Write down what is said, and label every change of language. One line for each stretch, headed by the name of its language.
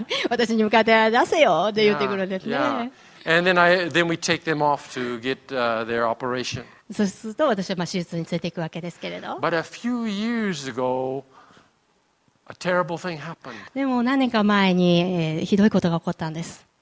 Japanese: 私に向かって出せよって言ってくるんですね。
English: And then we take them off to get their operation.
Japanese: そうすると私はまあ手術に連れていくわけですけれど。
English: But a few years ago, a terrible thing happened.
Japanese: でも何年か前にひどいことが起こったんです。